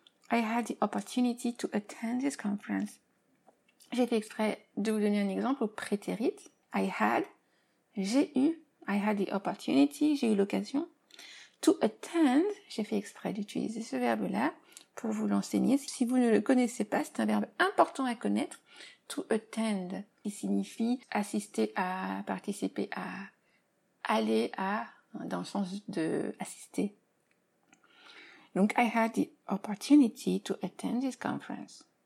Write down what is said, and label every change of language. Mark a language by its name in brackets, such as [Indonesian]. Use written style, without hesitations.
[English] I had the opportunity to attend this conference. [French] J'ai fait exprès de vous donner un exemple au prétérit. J'ai eu l'occasion. To attend, j'ai fait exprès d'utiliser ce verbe-là pour vous l'enseigner. Si vous ne le connaissez pas, c'est un verbe important à connaître. To attend, qui signifie assister à, participer à, aller à, dans le sens de assister. [English] Donc, I had the opportunity to attend this conference.